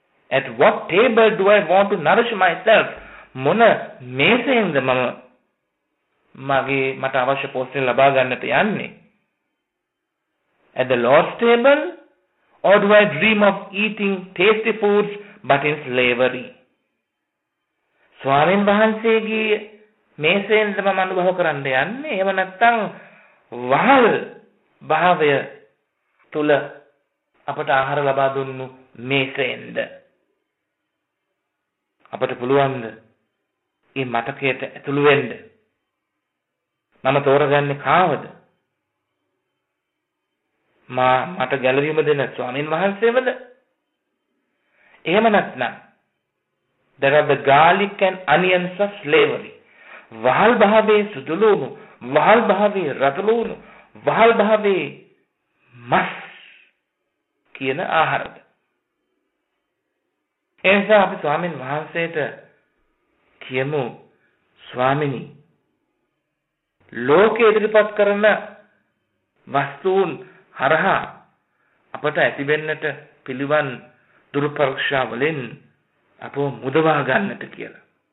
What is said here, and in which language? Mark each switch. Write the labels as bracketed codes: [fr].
[en] At what table do I want to nourish myself? [si] මොන මේසෙන්ද මම මගේ මට අවශ්‍ය පෝෂණ ලබා ගන්නට යන්නේ? [en] At the Lord's table? Or do I dream of eating tasty foods but in slavery? [si] ස්වාමීන් වහන්සේගේ මේසෙන්ද මම අනුභව කරන්න යන්නේ? එහෙම නැත්නම් වහල් භාවය තුල අපට ආහාර ලබා දුන්නු මේසෙන්ද අපට පුළුවන්ද මේ මතකයට ඇතුළු වෙන්න? මම තෝරගන්නේ කාවද? මට ගැළවීම දෙන ස්වාමීන් වහන්සේමද? එහෙම නැත්නම් [en] there are the garlic and onions of slavery. [si] වහල් භාවයේ සුදුළුණු, වහල් භාවයේ රතළුණු, වහල් භාවයේ මස් කියන ආහාරද? එහෙනම් අපි ස්වාමීන් වහන්සේට කියමු, ස්වාමිනි ලෝකෙ ඉදිරිපත් කරන වස්තුන් හරහා අපට ඇතිවෙන්නට පිළිවන් දුරුපරක්ෂාවලින් අපව මුදවා ගන්නට කියලා.